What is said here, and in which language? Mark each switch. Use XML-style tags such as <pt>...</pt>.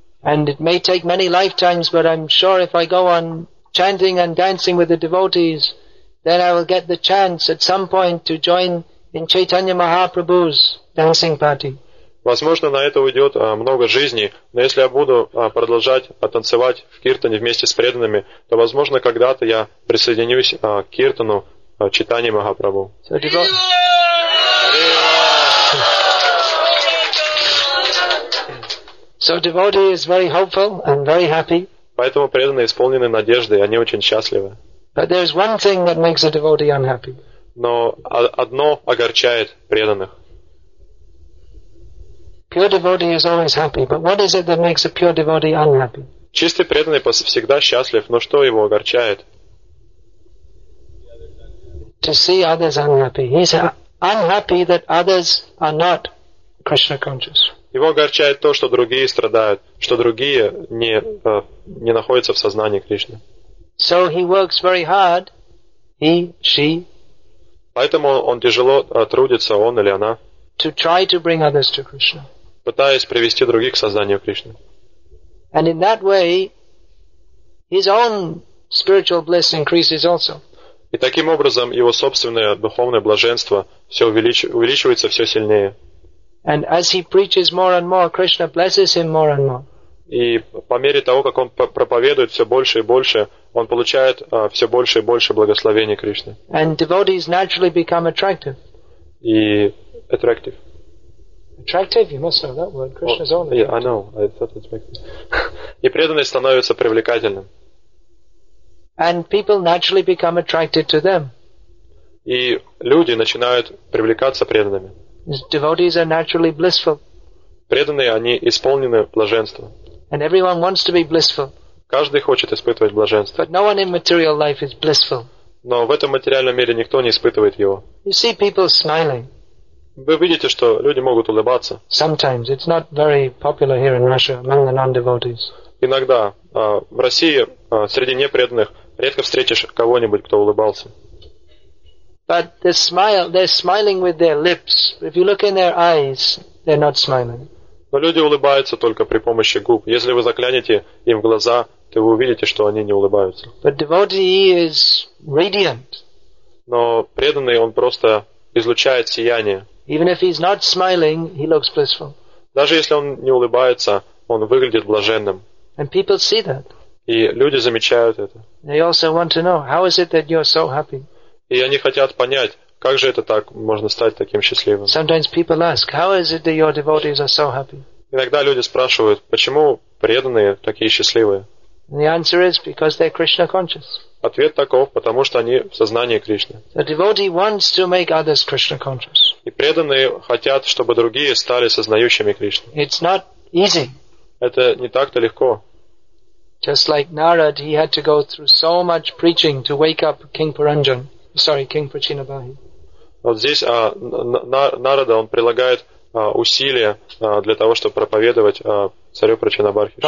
<en>And it may take many lifetimes, but I'm sure if I go on chanting and dancing with the devotees, then I will get the chance at some point to join in Chaitanya Mahaprabhu's dancing party.</en> <ru>Возможно, на это уйдет много жизней, но если я буду продолжать танцевать в киртане вместе с преданными, то, возможно, когда-то я присоединюсь к киртану Чайтанья Махапрабху.</ru> <en>So devotee is very hopeful and very happy.</en> <ru>Поэтому преданные исполнены надежды, они очень счастливы.</ru> <en>But there is one thing that makes a devotee unhappy.</en> <ru>Но одно огорчает преданных.</ru> <en>Pure devotee is always happy, but what is it that makes a pure devotee unhappy?</en> <ru>Чистый преданный всегда счастлив, но что его огорчает?</ru> <en>To see others unhappy. He's unhappy that others are not Krishna conscious.</en> <ru>Его огорчает то, что другие страдают, что другие не находятся в сознании Кришны.</ru> <en>So he works very hard, he, she.</en> <ru>Поэтому он тяжело трудится, он или она.</ru> <en>To try to bring others to Krishna.</en> <ru>Пытаясь привести других к сознанию Кришны.</ru> <en>And in that way, his own spiritual bliss increases also.</en> <ru>И таким образом его собственное духовное блаженство все увеличивается все сильнее.</ru> <en>And as he preaches more and more, Krishna blesses him more and more.</en> <ru>И по мере того, как он проповедует все больше и больше, он получает все больше и больше благословений Кришны.</ru> <en>And devotees naturally become attractive.</en> <ru>И attractive.</ru> <en>Attractive, you must know that word. Krishna's own. Well, yeah, I know. I thought it's making.</en> <ru>И преданные становятся привлекательным.</ru> <en>And people naturally become attracted to them.</en> <ru>и люди начинают привлекаться преданными.</ru> <en>Devotees are naturally blissful.</en> <ru>Преданные, они исполнены блаженства.</ru> <en>And everyone wants to be blissful.</en> <ru>Каждый хочет испытывать блаженство.</ru> <en>But no one in material life is blissful.</en> <ru>Но в этом материальном мире никто не испытывает его.</ru> <en>You see people smiling.</en> <ru>Вы видите, что люди могут улыбаться.</ru> <en>Sometimes it's not very popular here in Russia among the non-devotees.</en> <ru>Иногда в России среди непреданных редко встретишь кого-нибудь, кто улыбался.</ru> <en>But they smile. They're smiling with their lips. If you look in their eyes, they're not smiling.</en> <ru>Но люди улыбаются только при помощи губ. Если вы заглянете им в глаза, то вы увидите, что они не улыбаются.</ru> <en>But devotee is radiant.</en> <ru>Но преданный, он просто излучает сияние.</ru> <en>Even if he's not smiling, he looks blissful.</en> <ru>Даже если он не улыбается, он выглядит блаженным.</ru> <en>And people see that.</en> <ru>И люди замечают это.</ru> <en>They also want to know, how is it that you're so happy?</en> <ru>И они хотят понять, как же это так, можно стать таким счастливым?</ru> <en>Sometimes people ask, how is it that your devotees are so happy?</en> <ru>Иногда люди спрашивают, почему преданные такие счастливые?</ru> <en>And the answer is, because they're Krishna conscious.</en> <ru>Ответ таков, потому что они в сознании Кришны.</ru> <en>The devotee wants to make others Krishna conscious.</en> <ru>И преданные хотят, чтобы другие стали сознающими Кришну.</ru> <en>It's not easy.</en> <ru>Это не так-то легко.</ru> <en>Just like Narad, he had to go through so much preaching to wake up King Paranjan. Sorry, King Prachinabahi.</en> <ru>Вот здесь Нарада, он прилагает усилия для того, чтобы проповедовать царю Прачинабархи.</ru>